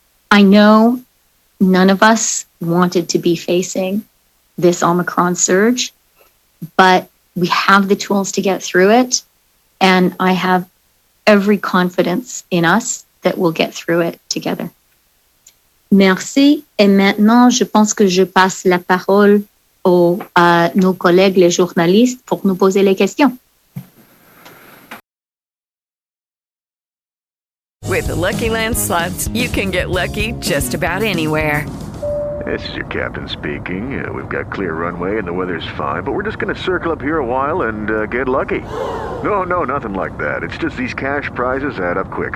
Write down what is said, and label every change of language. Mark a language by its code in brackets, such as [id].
[en] I know none of us wanted to be facing this Omicron surge, but we have the tools to get through it. And I have every confidence in us that we'll get through it together. [fr] Merci. Et maintenant, je pense que je passe la parole à nos collègues, les journalistes, pour nous poser les questions. [en] With the Lucky Land Slots, you can get lucky just about anywhere. This is your captain speaking. We've got clear runway and the weather's fine, but we're just going to circle up here a while and get lucky. No, no, nothing like that. It's just these cash prizes add up quick.